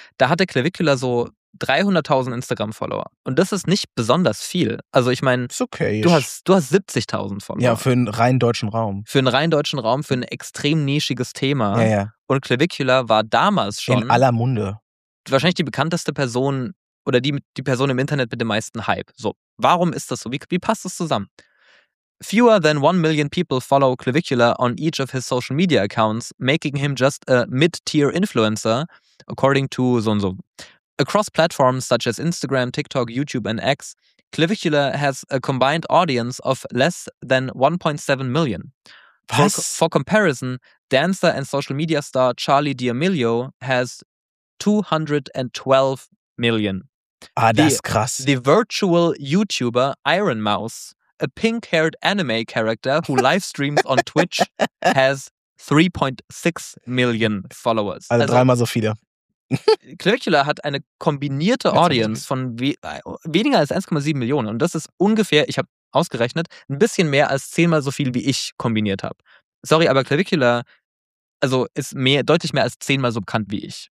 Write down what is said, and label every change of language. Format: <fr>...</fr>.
<de>Da hatte Clavicula so 300.000 Instagram-Follower. Und das ist nicht besonders viel. Also ich meine, okay, du hast 70.000 Follower. Ja, für einen rein deutschen Raum. Für einen rein deutschen Raum, für ein extrem nischiges Thema. Ja, ja. Und Clavicula war damals schon in aller Munde. Wahrscheinlich die bekannteste Person oder die Person im Internet mit dem meisten Hype. So, warum ist das so? Wie passt das zusammen?</de> <en>Fewer than 1 million people follow Clavicula on each of his social media accounts, making him just a mid-tier influencer, according to so and so. Across platforms such as Instagram, TikTok, YouTube and X, Clavicula has a combined audience of less than 1.7 million.</en> <de>Was?</de> <en>For comparison, dancer and social media star Charli D'Amelio has 212 million.</en> <de>Ah, das ist krass.</de> <en>The virtual YouTuber Iron Mouse, a pink-haired anime character who live streams on Twitch, has 3.6 million followers.</en> <de>Also dreimal so viele. Clavicula hat eine kombinierte Audience von weniger als 1,7 Millionen. Und das ist ungefähr, ich habe ausgerechnet, ein bisschen mehr als 10-mal so viel, wie ich kombiniert habe. Sorry, aber Clavicula also ist mehr, deutlich mehr als 10-mal so bekannt wie ich.</de>